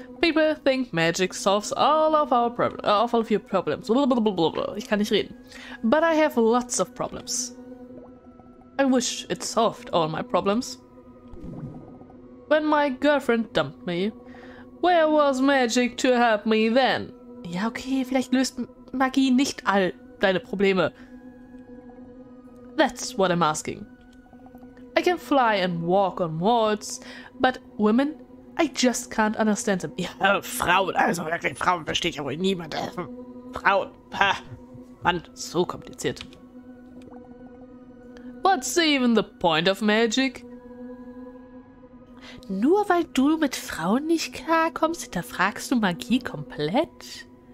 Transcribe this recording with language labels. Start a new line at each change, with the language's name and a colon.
English: People think magic solves all of our problems. Blah, blah, blah, blah, blah.
German: Ich kann nicht reden.
English: But I have lots of problems. I wish it solved all my problems. When my girlfriend dumped me, where was magic to help me then?
German: Ja, okay, vielleicht löst Magie nicht all deine Probleme.
English: That's what I'm asking. I can fly and walk on walls, but women, I just can't understand them.
German: Ja, Frauen, also wirklich, Frauen versteht ja wohl niemand. Frauen, ha, Mann, so kompliziert.
English: What's even the point of magic?
German: Nur weil du mit Frauen nicht klarkommst, hinterfragst du Magie komplett?